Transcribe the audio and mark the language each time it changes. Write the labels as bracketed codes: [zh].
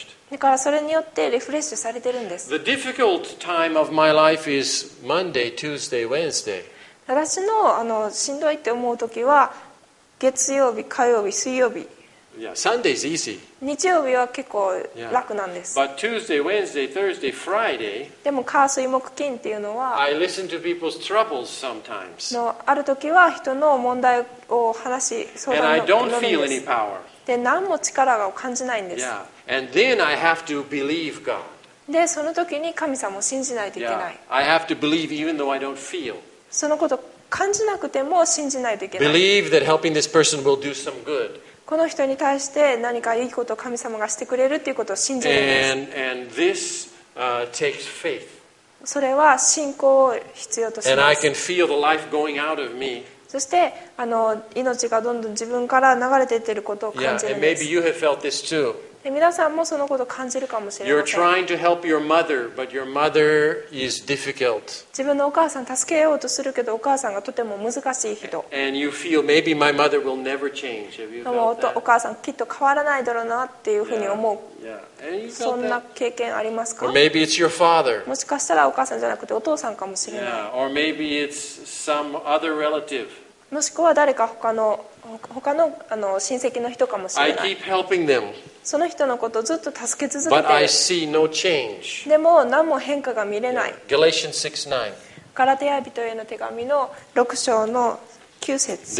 [ja] だからそれによってリフレッシュされてるんです。 [en] The difficult time of my life is Monday, Tuesday, Wednesday. [ja] 私のしんどいって思う時は月曜日、火曜日、水曜日。 [en] Yeah, Sunday's easy. [ja] 日曜日は結構楽なんです。 [en] But Tuesday, Wednesday, Thursday, Friday. [ja] でも火水木金っていうのは、 [en] I listen to people's troubles sometimes. [ja] のある時は人の問題を話し相談の。 [en] And I don't feel any power. [ja] で何も力が感じないんです。 [en] Yeah, and then I have to believe God. [ja] でその時に神様を信じないといけない。 [en] Yeah, I have to believe even though I don't feel. [ja] そのこと感じなくても信じないといけない。 [en] Believe that helping this person will do some good. [ja] この人に対して何かいいことを神様がしてくれるということを信じるんです。 [en] And this, takes faith. [ja] それは信仰を必要とします。 [en] And I can feel the life going out of me. [ja] そして命がどんどん自分から流れていっていることを感じるんです。 [en] Yeah, and maybe you have felt this too. [ja] で皆さんもそのことを感じるかもしれません。 [en] You're trying to help your mother, but your mother is difficult. [ja] 自分のお母さん助けようとするけど、お母さんがとても難しい人。 [en] And you feel maybe my mother will never change. Have you felt that? [ja] お母さんきっと変わらないだろうなっていうふうに思う。 [en] Yeah. Yeah. And you felt that? [ja] そんな経験ありますか？ [en] Or maybe it's your father. [ja] もしかしたらお母さんじゃなくてお父さんかもしれない。 [en] Yeah. Or maybe it's some other relative. [ja] もしくは誰か他の親戚の人かもしれない。その人のことをずっと助け続けている。 [en] But I see no change. [ja] でも何も変化が見れない。 [en] Yeah. Galatians 6:9. [ja] ガラテヤ人への手紙の6章の9節。